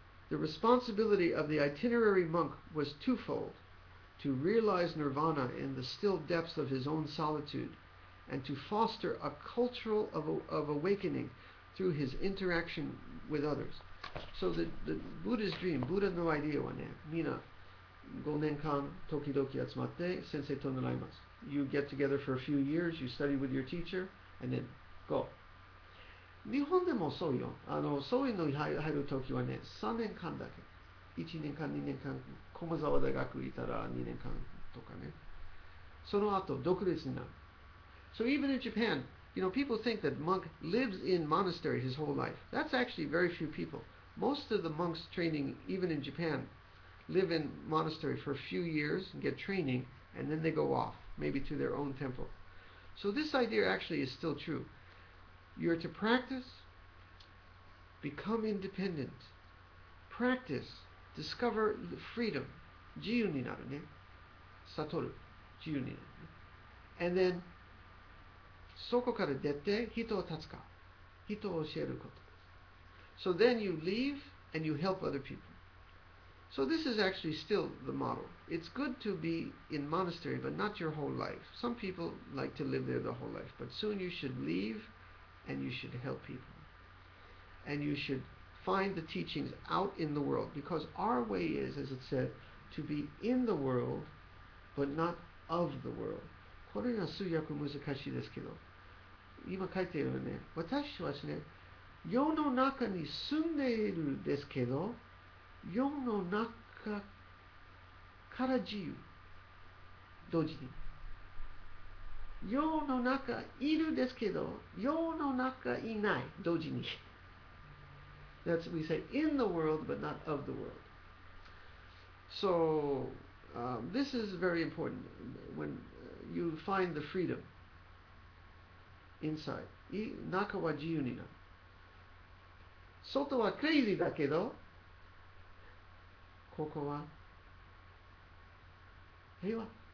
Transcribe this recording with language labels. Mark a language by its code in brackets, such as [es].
[en] The responsibility of the itinerary monk was twofold: to realize nirvana in the still depths of his own solitude, and to foster a cultural of awakening through his interaction with others. So the Buddha's dream, [ja] Buddha no idea wa ne, mina 5 年間時々集まって先生と習います。 [en] You get together for a few years, you study with your teacher, and then go. [ja] 日本でもそうよ。あの、そういうのに入るときはね、3年間だけ。 1年間、2年間、駒沢大学行ったら2年間とかね。その後、独立になる。 [en] So even in Japan, you know, people think that monk lives in monastery his whole life. That's actually very few people. Most of the monks training, even in Japan, live in monastery for a few years and get training, and then they go off, maybe to their own temple. So this idea actually is still true. You're to practice, become independent, practice, discover freedom, [ja] 自由になるね、悟る、自由になるね。 [en] And then, [ja] そこから出て人を助か、人を教えること。 [en] So then you leave and you help other people. So this is actually still the model. It's good to be in monastery, but not your whole life. Some people like to live there their whole life, but soon you should leave and you should help people. And you should find the teachings out in the world, because our way is, as it said, to be in the world, but not of the world. [ja] これは数訳難しいですけど、今書いているね、私はですね、世の中に住んでいるですけど、世の中から自由、同時に。世の中いるですけど、世の中いない、同時に。 [en] That's what we say, in the world, but not of the world. So, this is very important when you find the freedom inside. [ja] 中は自由になる。外はクレイジーだけど、ここは平和。